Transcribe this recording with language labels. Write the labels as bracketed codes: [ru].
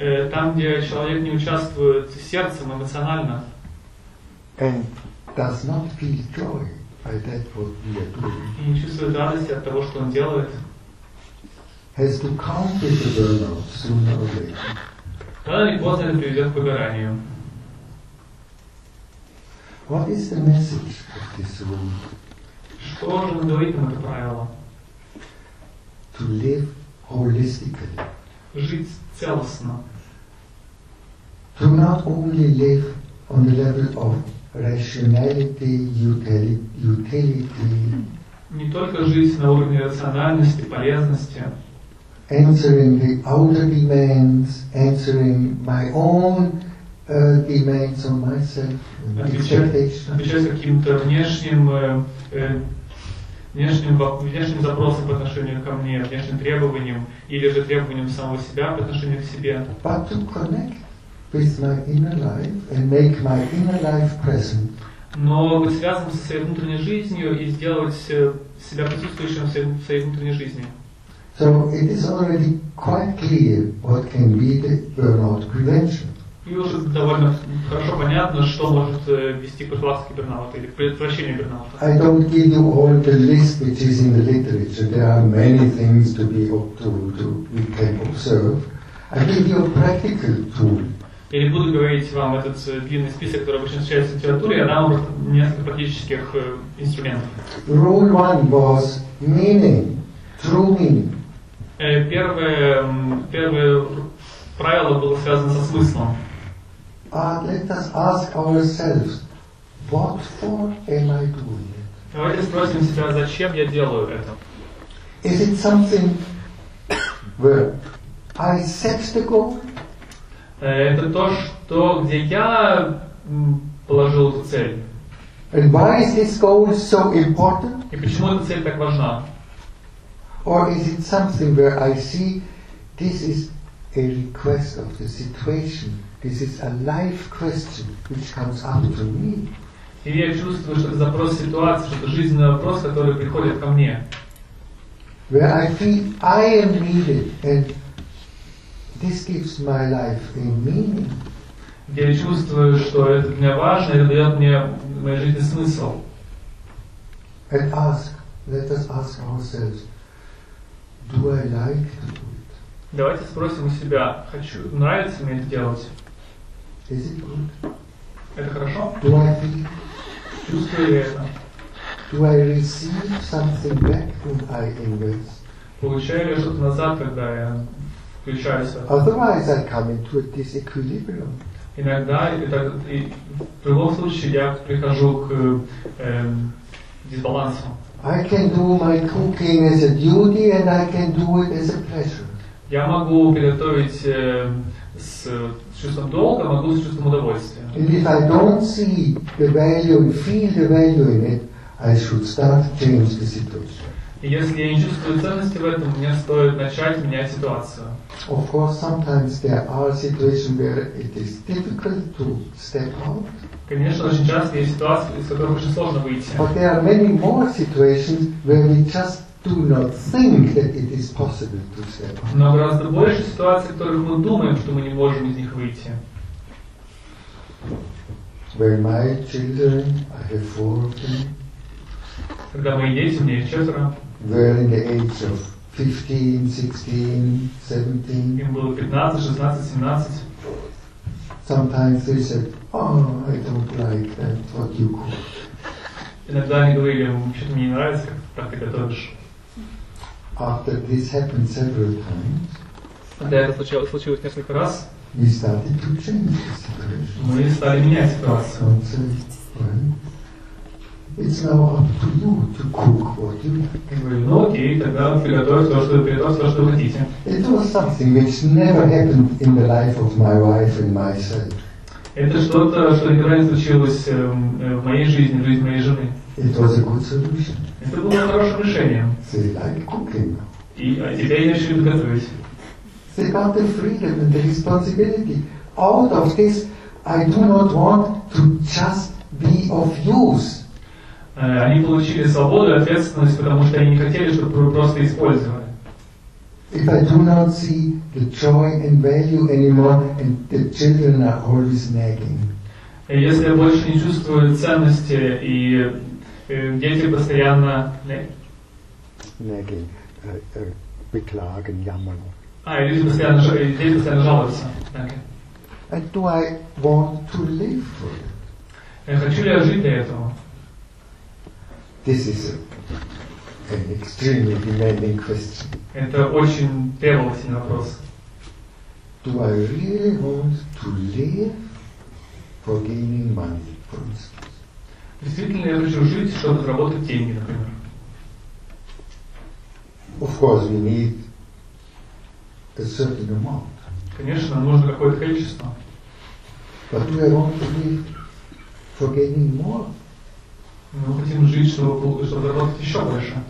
[ru] Там, где человек не участвует сердцем, эмоционально. [en] And does not feel joy by that what we are doing. [ru] И не чувствует радости от того, что он делает. [en] Has to come to the burnout sooner or later. [ru] Рано или поздно это приведет к выгоранию. [en] What is the message of this rule? [ru] Что же он говорит нам это правило? [en] To live holistically. [ru] Жить целостно. [en] To not only live on the level of rationality, utility. [ru] Не только жить на уровне рациональности, полезности. [en] Answering the outer demands, answering my own demands on myself. [ru] Отвечать каким-то внешним запросам по отношению ко мне, внешним требованиям, или же требованиям самого себя по отношению к себе. [en] But to connect with my inner life and make my inner life present. [ru] Но быть связанным со своей внутренней жизнью и сделать себя присутствующим в своей внутренней жизни. [en] So it is already quite clear what can be the burnout prevention. [ru] И уже довольно хорошо понятно, что может вести к профилактике бернаута или предотвращению бернаута. [en] I don't give you all the list which is in the literature. There are many things to be we can observe. I give you a practical tool. [ru] Я не буду говорить вам этот длинный список, который обычно встречается в литературе, я дам вам несколько практических инструментов. [en] Rule one was meaning, true meaning. [ru] Первое правило было связано со смыслом. [en] Let us ask ourselves, what for am I doing it? [ru] Давайте спросим себя, зачем я делаю это? [en] Is it something where I set the goal? [ru] Это то, что где я положил эту цель. [en] And why is this goal so important? [ru] И почему эта цель так важна? [en] Or is it something where I see this is a request of the situation? This is a life question which comes up to me. [ru] И я чувствую, что это запрос ситуации, что это жизненный вопрос, который приходит ко мне. [en] Where I feel I am needed and this gives my life a meaning. [ru] Я чувствую, что это для меня важно, это дает мне в моей жизни смысл. [en] And ask, let us ask ourselves, do I like to do it? [ru] Давайте спросим у себя, нравится мне это делать? [en] Is it good? [ru] Это хорошо? [en] Do I feel? [ru] Чувствую ли это? [en] Do I receive something back when I invest? [ru] Получаю ли я что-то назад, когда я включаюсь? [en] Otherwise I come into a disequilibrium. [ru] Иногда, и в любом случае я прихожу к дисбалансу. [en] I can do my cooking as a duty and I can do it as a pleasure. [ru] Я могу приготовить с чувством долга, могу с чувством удовольствия. [en] And if I don't see the value, feel the value in it, I should start change the situation. [ru] Если я не чувствую ценности в этом, мне стоит начать менять ситуацию. [en] Of course, sometimes there are situations where it is difficult to step out. [ru] Конечно, очень часто есть ситуации, из которых очень сложно выйти. [en] But there are many more situations where we just do not think that it is possible to step out. [ru] Но гораздо больше ситуаций, в которых мы думаем, что мы не можем из них выйти. [en] Where my children, I have four of them. [ru] Когда мои дети, мне четверо. [en] Where in the age of 15, 16, 17. [ru] Им было 15, 16, 17. [en] Sometimes they said, oh, I don't like that, what you cook. [ru] Иногда они говорили, вообще-то мне не нравится, как так ты готовишь. [en] After this happened several times. [ru] Да, это случилось несколько раз. [en] We started to change the situation. [ru] Мы стали менять ситуацию. [en] It's now up to you to cook what you like. [ru] Ну окей, тогда приготовь то, что ты приготовил, то, что хотите. [en] It was something which never happened in the life of my wife and myself. [ru] Это что-то, что никогда не случилось в моей жизни, в жизни моей жены. [en] It was a good solution. [ru] Это было хорошим решением. [en] They like cooking. [ru] И а теперь я решил готовить. [en] They got the freedom and the responsibility. Out of this, I do not want to just be of use. [ru] Они получили свободу и ответственность, потому что они не хотели, чтобы вы просто использовали. [en] If I do not see the joy and value anymore, and the children are always nagging. [ru] Если я больше не чувствую ценности, и дети постоянно... [en] Nagging. [de] Beklagen, jammern. [ru] Дети постоянно жалуются. [en] Okay. And do I want to live for it? [ru] Хочу ли я жить для этого? [en] This is an extremely demanding question. [ru] Это очень требовательный вопрос. [en] Do I really want to live for gaining money, for instance? [ru] Действительно ли я хочу жить, чтобы заработать деньги, например? [en] Of course, we need a certain amount. [ru] Конечно, нам нужно какое-то количество. [en] But do I want to live for gaining more? [ru] Мы хотим жить, чтобы заработать еще больше.